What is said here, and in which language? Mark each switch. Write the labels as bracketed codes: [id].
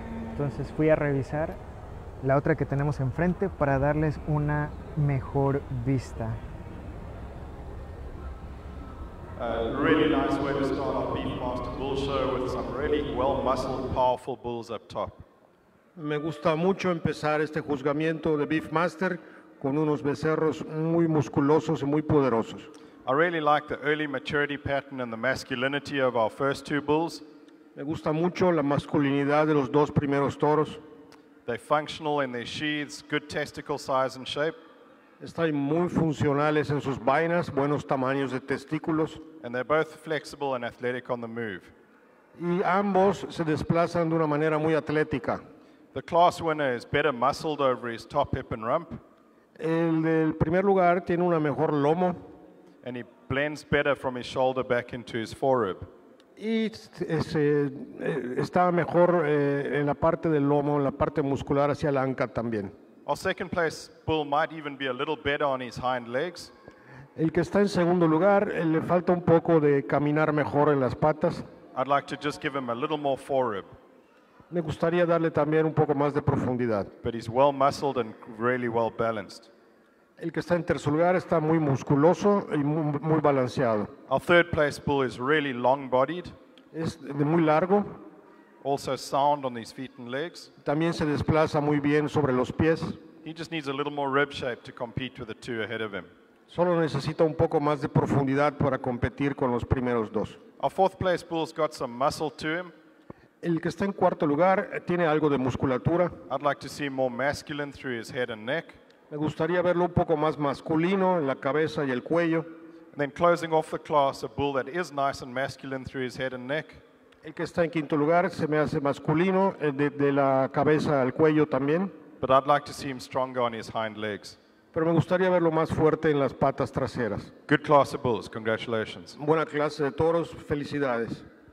[es] Entonces fui a revisar la otra que tenemos enfrente para darles una mejor vista. [en] Really nice way to start our Beefmaster Bull Show with some really well-muscled, powerful bulls up top. [es] Me gusta mucho empezar este juzgamiento de Beefmaster con unos becerros muy musculosos y muy poderosos. [en] I really like the early maturity pattern and the masculinity of our first two bulls. [es] Me gusta mucho la masculinidad de los dos primeros toros. [en] They're functional in their sheaths, good testicle size and shape. [es] Están muy funcionales en sus vainas, buenos tamaños de testículos. [en] And they're both flexible and athletic on the move. [es] Y ambos se desplazan de una manera muy atlética. [en] The class winner is better muscled over his top hip and rump. [es] El del primer lugar tiene una mejor lomo. [en] And he blends better from his shoulder back into his forerib. [es] Y está mejor en la parte del lomo, en la parte muscular hacia la anca también. [en] Our second place bull might even be a little better on his hind legs. [es] El que está en segundo lugar, le falta un poco de caminar mejor en las patas. [en] I'd like to just give him a little more forerib. [es] Me gustaría darle también un poco más de profundidad. [en] But he's well muscled and really well balanced. [es] El que está en tercer lugar está muy musculoso y muy balanceado. [en] Our third place bull is really long bodied. [es] Es de muy largo. [en] Also sound on his feet and legs. [es] También se desplaza muy bien sobre los pies. [en] He just needs a little more rib shape to compete with the two ahead of him. [es] Solo necesita un poco más de profundidad para competir con los primeros dos. [en] Our fourth place bull's got some muscle to him. [es] El que está en cuarto lugar tiene algo de musculatura. [en] I'd like to see more masculine through his head and neck. [es] Me gustaría verlo un poco más masculino en la cabeza y el cuello. [en] And then closing off the class, a bull that is nice and masculine through his head and neck. [es] El que está en quinto lugar se me hace masculino de la cabeza al cuello también. [en] But I'd like to see him stronger on his hind legs. [es] Pero me gustaría verlo más fuerte en las patas traseras. [en] Good class of bulls, congratulations. [es] Buena clase de toros, felicidades.